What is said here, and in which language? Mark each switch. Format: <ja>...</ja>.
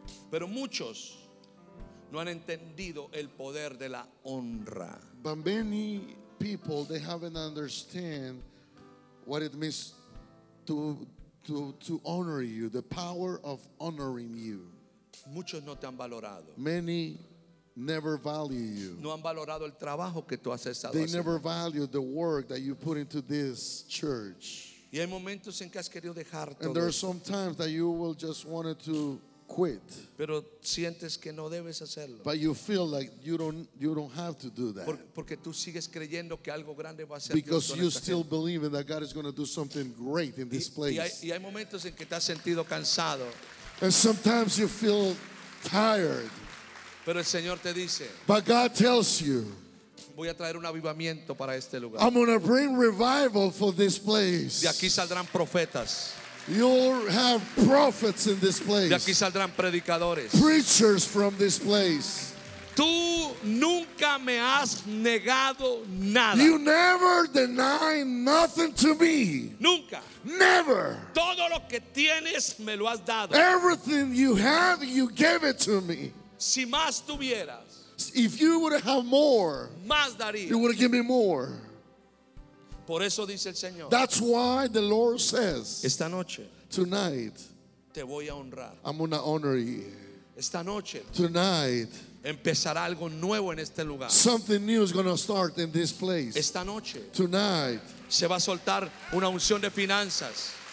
<es>Pero muchos no han entendido el poder de la honra.</es> <en>But many people, they haven't understand what it means to honor you, the power of honoring you.</en> <es>Muchos no te han valorado.</es> <en>Many never value you.</en> <es>No han valorado el trabajo que tú has estado haciendo.</es> <en>They never value the work that you put into this church.</en> <es>Y hay momentos en que has querido dejar todo.</es> <en>And there are some times that you will just wanted to quit.</en> <es>Pero sientes que no debes hacerlo.</es> <en>But you feel like you don't have to do that.</en> <es>Porque tú sigues creyendo que algo grande va a ser.</es> <en>Because you still believe that God is going to do something great in this place.</en> <es>Y hay momentos en que te has sentido cansado.</es> <en>And sometimes you feel tired.</en> <es>Pero el Señor te dice.</es> <en>But God tells you.</en> <es>Voy a traer un avivamiento para este lugar.</es> <en>I'm going to bring revival for this place.</en> <es>De aquí saldrán profetas.</es> <en>You'll have prophets in this place.</en> <es>De aquí saldrán predicadores.</es> <en>Preachers from this place.</en> <es>Tú nunca me has negado nada.</es> <en>You never deny nothing to me.</en> <es>Nunca.</es> <en>Never.</en> <es>Todo lo que tienes me lo has dado.</es> <en>Everything you have, you gave it to me.</en> <es>Si más tuvieras,</es> <en>if you would have more,</en> <es>más daría.</es> <en>You would give me more.</en> <es>Por eso dice el Señor,</es> <en>that's why the Lord says,</en> <es>esta noche,</es> <en>tonight,</en> <es>te voy a honrar.</es> <en>I'm going to honor you.</en> <es>Esta noche,</es> <en>tonight,</en> <es>empezará algo nuevo en este lugar.</es> <en>Something new is going to start in this place.</en> <es>Esta noche,</es> <en>tonight,</en> <es>se va a soltar una unción de finanzas.</es>